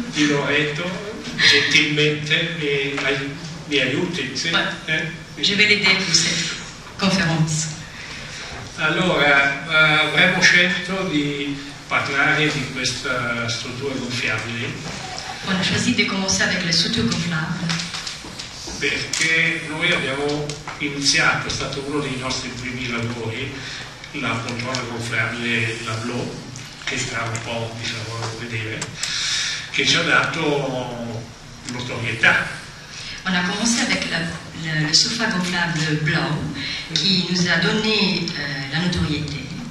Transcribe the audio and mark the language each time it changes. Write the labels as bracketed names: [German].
[Italian] Di Loreto, gentilmente mi aiuti, sì. [French] Ouais. Je vais l'aider pour cette conférence. [Italian] Allora, avremmo scelto di parlare di questa struttura gonfiabile. [French] On a choisi de commencer avec la structure gonflable. [Italian] Perché noi abbiamo iniziato, è stato uno dei nostri primi lavori, la poltrona gonfiabile, la Blo, che sta un po', diciamo, a vedere, che ci ha dato notorietà. [French] On a commencé avec le sofa gonflable blanc qui nous a donné la notoriété.